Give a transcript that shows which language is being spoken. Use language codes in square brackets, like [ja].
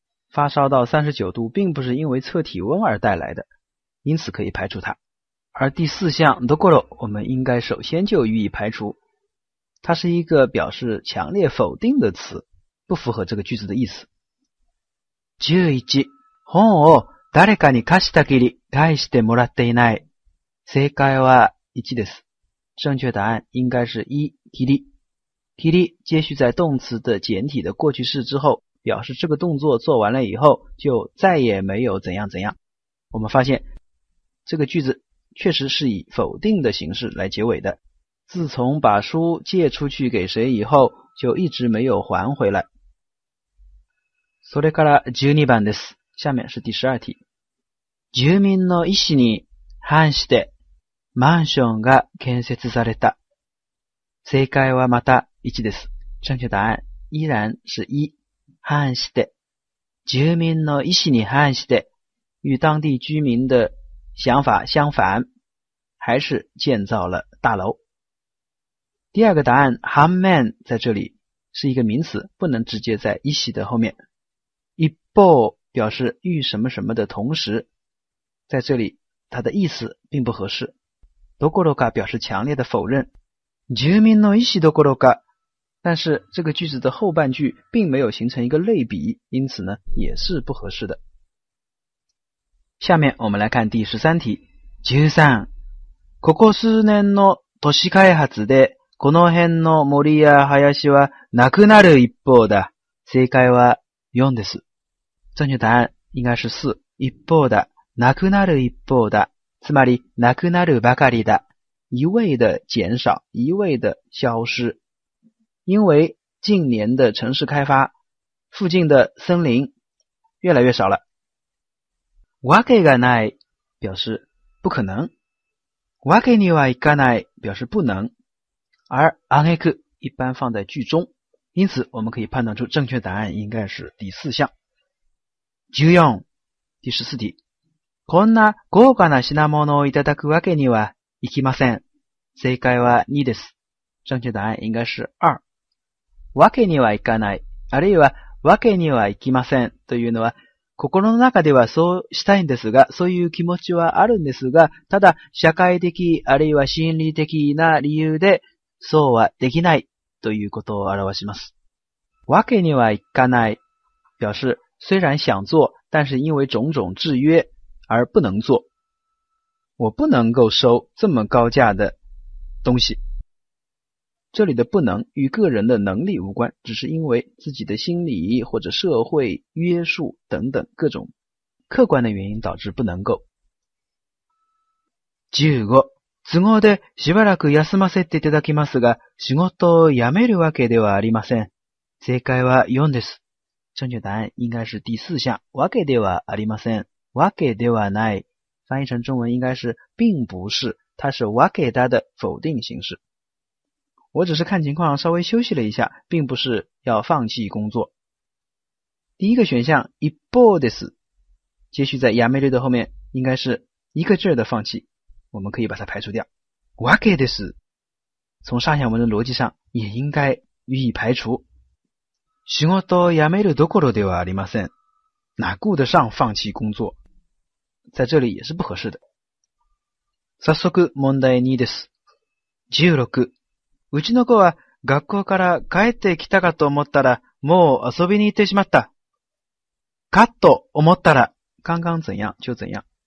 [zh] 发烧到39度并不是因为测体温而带来的，因此可以排除它。而第四项ところ我们应该首先就予以排除，它是一个表示强烈否定的词，不符合这个句子的意思。 [ja] 11本を誰かに貸したきり返してもらっていない。正解は1です。 [zh] 正确答案应该是1、きり。きり接续在动词的简体的过去式之后，表示这个动作做完了以后就再也没有怎样怎样。我们发现这个句子确实是以否定的形式来结尾的。自从把书借出去给谁以后就一直没有还回来。 [ja] それから12番です。 [zh] 下面是第12题。 [ja] 住民の意思に反してマンションが建設された。正解はまた1です。 [zh] 正确答案依然是1。 [ja] 反して。住民の意思に反して。 [zh] 与当地居民的想法相反。还是建造了大楼。第二个答案反面在这里是一个名词，不能直接在意思的后面。 [ja] 一方 [zh] 表示与什么什么的同时，在这里它的意思并不合适。どころか表示强烈的否认。 [ja] 住民の意思どころか， [zh] 但是这个句子的后半句并没有形成一个类比，因此呢也是不合适的。下面我们来看第13题。 [ja] 13ここ数年の都市開発でこの辺の森や林はなくなる一方だ。正解は4です。 [zh] 正确答案应该是4。 [ja] 一方だ。なくなる一方だ。つまり、なくなるばかりだ。 [zh] 一味的减少、一味的消失。因为近年的城市开发、附近的森林越来越少了。 [ja] わけがない [zh] 表示不可能。 [ja] わけにはいかない [zh] 表示不能。而あげく一般放在句中，因此我们可以判断出正确答案应该是第四项。 14 第14题。 [ja] こんな豪華な品物をいただくわけにはいきません。正解は2です。 [zh] 正确答案应该是2。 [ja] わけにはいかない、あるいはわけにはいきませんというのは、心の中ではそうしたいんですが、そういう気持ちはあるんですが、ただ社会的あるいは心理的な理由で、そうはできないということを表します。わけにはいかない。 [zh] 表示、虽然想做、但是因为种种制约而不能做。我不能够收这么高价的东西。这里的不能与个人的能力无关，只是因为自己的心理或者社会约束等等各种客观的原因导致不能够。 [ja] 15都合でしばらく休ませていただきますが、仕事を辞めるわけではありません。正解は4です。 [zh] 正确答案应该是第四项。わけではありません。わけではない。翻译成中文应该是并不是，它是わけだ的否定形式。我只是看情况稍微休息了一下，并不是要放弃工作。第一个选项一方です。接续在辞めるで后面应该是一个劲儿的放弃。我们可以把它排除掉。 [ja] わけです。 [zh] 从上下文的逻辑上也应该予以排除。 [ja] 仕事を辞めるどころではありません。 [zh] 哪顾得上放弃工作，在这里也是不合适的。 [ja] 早速問題2です。16。うちの子は学校から帰ってきたかと思ったら、もう遊びに行ってしまった。 [zh] かと思ったら、刚刚怎样就怎样。